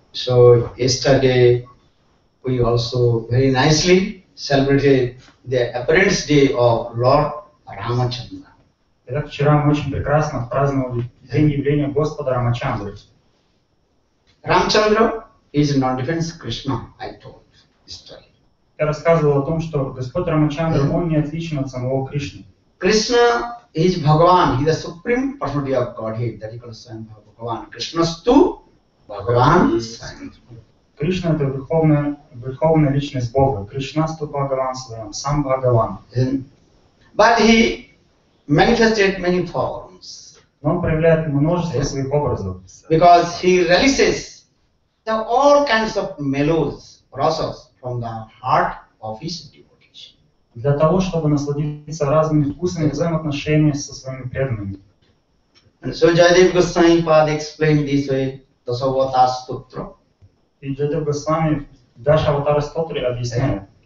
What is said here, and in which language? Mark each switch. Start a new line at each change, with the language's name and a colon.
English: So yesterday we also very nicely celebrated the appearance day of Lord Ramachandra.
Russian: Итак, вчера мы очень прекрасно праздновали день явления Господа Рамачандры.
English: Рамачандра is not different from Krishna, I told this story.
Russian: Я рассказывал о том, что Господь Рамачандра, он не отличен от самого Кришны.
English: Krishna is Bhagavan, he is the supreme personality of Godhead, that he calls him Bhagavan.
Sanskrit: Krishnastu Bhagavan Swayam.
Russian: Кришна – это верховная личность Бога. Кришна – Ступа Бхагаван Своем, сам Бхагаван.
English: But he manifested many forms.
Russian: Но он проявляет множество своих образов.
English: Because he releases the all kinds of mellows, process from the heart of his devotees.
Russian: Для того, чтобы насладиться разными вкусами и взаимоотношения со своими преданными.
English: And so Jayadev Goswami Pad explained this way, Dasavata Stutra.
Russian: И Джадев Госвами Даша Аватара Стотри объясняет.